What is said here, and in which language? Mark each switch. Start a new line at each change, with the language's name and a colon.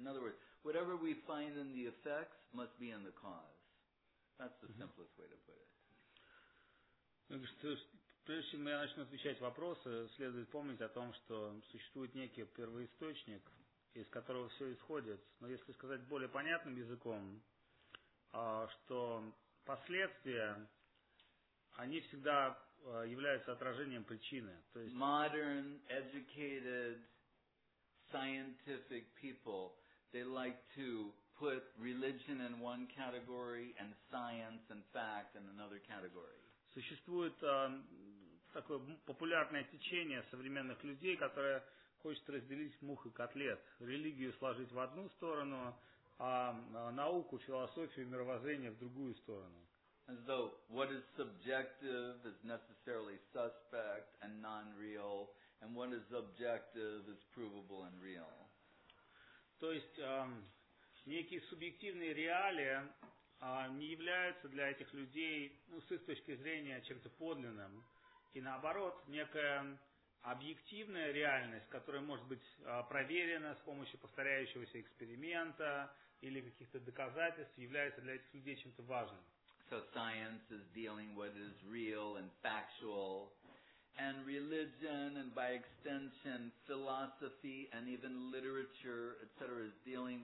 English: In other words, whatever we find in the effects must be in the cause. That's the simplest way to put it.
Russian: Прежде чем я начну отвечать вопросы, следует помнить о том, что существует некий первоисточник, из которого все исходит. Но если сказать более понятным языком, что последствия, они всегда являются отражением причины. То есть
English: modern, educated, scientific people, they like to put religion in one category and science and fact in another category.
Russian: Существует такое популярное течение современных людей, которое хочет разделить мух и котлет. Религию сложить в одну сторону, а науку, философию, мировоззрение в другую сторону.
English: As though what is subjective is necessarily suspect and non-real, and what is objective is provable and real.
Russian: То есть некие субъективные реалии не являются для этих людей, ну, с их точки зрения, чем-то подлинным. И наоборот, некая объективная реальность, которая может быть проверена с помощью повторяющегося эксперимента или каких-то доказательств, является для этих людей чем-то важным.
English: So science is dealing with what is real and factual. And religion, and by extension, philosophy, and even literature, etc., is dealing